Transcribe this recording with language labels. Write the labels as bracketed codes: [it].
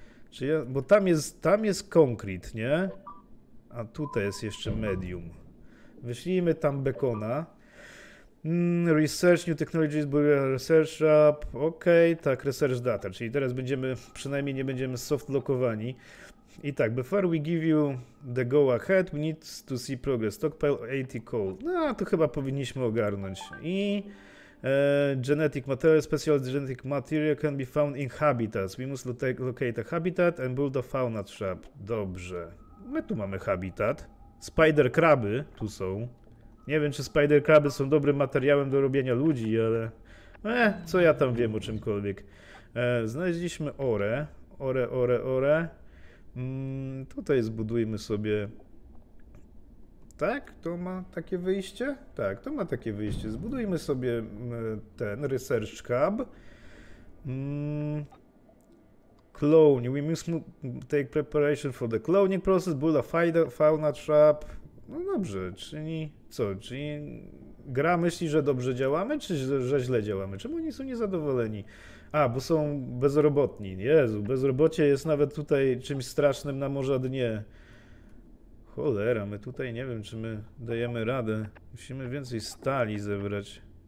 [pl] Czy ja, bo tam jest konkret, nie? A tutaj jest jeszcze medium. Wyślijmy tam bekona. Research New Technologies Bureau Research Hub. Okej, okay, tak, Research Data, czyli teraz będziemy, przynajmniej nie będziemy softlokowani. I tak, [en] before we give you the go ahead, we need to see progress. Stockpile 80 coal. [pl] No, to chyba powinniśmy ogarnąć. [en] I genetic material, special genetic material can be found in habitats. We must locate a habitat and build a fauna trap. [pl] Dobrze. My tu mamy habitat. Spider kraby tu są. Nie wiem, czy spider kraby są dobrym materiałem do robienia ludzi, ale... co ja tam wiem o czymkolwiek. Znaleźliśmy orę. Orę. Tutaj zbudujmy sobie... Tak? To ma takie wyjście? Tak, to ma takie wyjście. Zbudujmy sobie ten research hub. [en] Clone. We must take preparation for the cloning process. Build a fauna trap. [pl] No dobrze, czyli co? Czyli gra myśli, że dobrze działamy, czy że źle działamy? Czemu oni są niezadowoleni? A, bo są bezrobotni. Jezu, bezrobocie jest nawet tutaj czymś strasznym na morza dnie. Cholera, my tutaj nie wiem, czy my dajemy radę. Musimy więcej stali zebrać.